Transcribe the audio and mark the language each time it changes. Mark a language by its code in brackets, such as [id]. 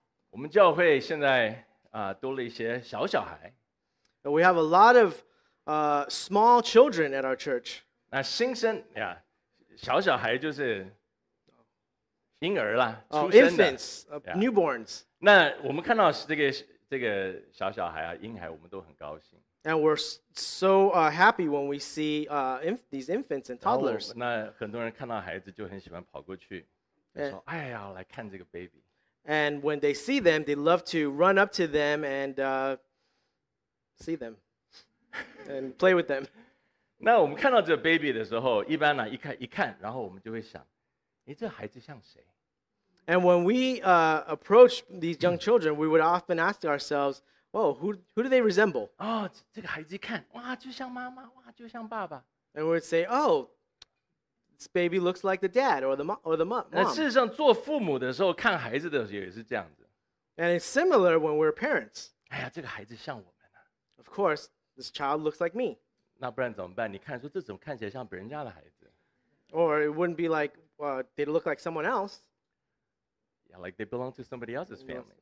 [zh] 我们教会现在多了一些小小孩。 [en] We have a lot of small children at our church. [zh] 那新生小小孩就是婴儿啦，出生的。 [en] Infants, newborns. [zh] 那我们看到这个小小孩啊，婴孩，我们都很高兴。 [en] And we're so happy when we see these infants and toddlers. [zh] 那很多人看到孩子就很喜欢跑过去，说：“哎呀，来看这个 baby。” [en] And when they see them, they love to run up to them and see them and play with them. [zh] 那我们看到这个 baby 的时候，一般呢一看，然后我们就会想：“哎，这孩子像谁？” [en] And when we approach these young children, we would often ask ourselves. Whoa, who do they resemble? [zh] Oh, 这个孩子看，哇，就像妈妈，哇，就像爸爸。 [en] And we'd say, oh, this baby looks like the dad or the mom. [zh] 那事实上，做父母的时候看孩子的时候也是这样子。 [en] And it's similar when we're parents. [zh] 哎呀，这个孩子像我们啊。 [en] Of course, this child looks like me. [zh] 那不然怎么办？你看，说这怎么看起来像别人家的孩子 [en] ？Or it wouldn't be like, they look like someone else. Yeah, like they belong to somebody else's family, no.